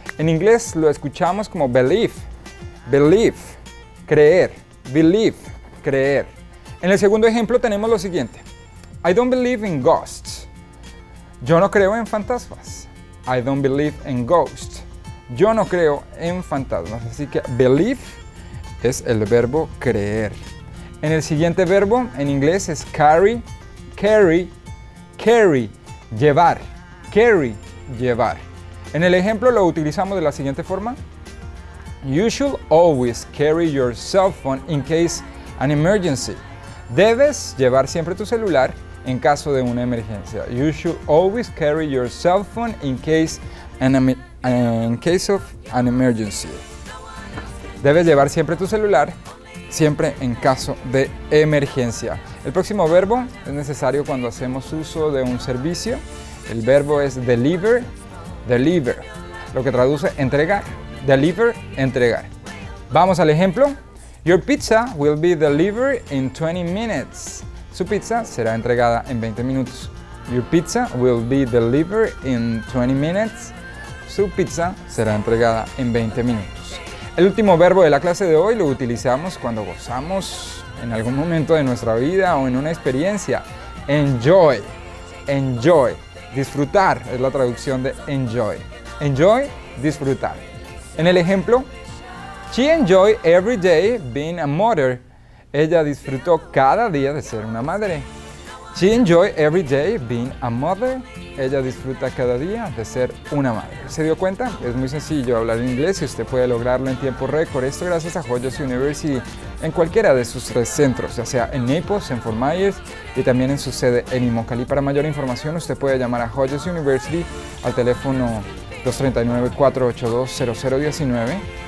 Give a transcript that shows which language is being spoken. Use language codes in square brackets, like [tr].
[es] En inglés lo escuchamos como believe, believe, creer, believe, creer. En el segundo ejemplo tenemos lo siguiente. [en] I don't believe in ghosts. [es] Yo no creo en fantasmas. [en] I don't believe in ghosts. [es] Yo no creo en fantasmas. Así que believe es el verbo creer. En el siguiente verbo en inglés es carry, carry, carry, llevar, carry, llevar. En el ejemplo lo utilizamos de la siguiente forma. [en] You should always carry your cell phone in case an emergency. [es] Debes llevar siempre tu celular en caso de una emergencia. [en] You should always carry your cell phone in case of an emergency. [es] Debes llevar siempre tu celular, siempre en caso de emergencia. El próximo verbo es necesario cuando hacemos uso de un servicio. El verbo es deliver, deliver, lo que traduce entregar, deliver, entregar. Vamos al ejemplo. [en] Your pizza will be delivered in 20 minutes. [es] Su pizza será entregada en 20 minutos. [en] Your pizza will be delivered in 20 minutes. [es] Su pizza será entregada en 20 minutos. El último verbo de la clase de hoy lo utilizamos cuando gozamos en algún momento de nuestra vida o en una experiencia. Enjoy. Enjoy. Disfrutar es la traducción de enjoy. Enjoy, disfrutar. En el ejemplo, [en] she enjoyed every day being a mother. [es] Ella disfrutó cada día de ser una madre. [en] She enjoyed every day being a mother. [es] Ella disfruta cada día de ser una madre. ¿Se dio cuenta? Es muy sencillo hablar inglés y usted puede lograrlo en tiempo récord. Esto gracias a Hodges University en cualquiera de sus tres centros, ya sea en Naples, en Fort Myers y también en su sede en Imokalee. Para mayor información, usted puede llamar a Hodges University al teléfono 239-482-0019.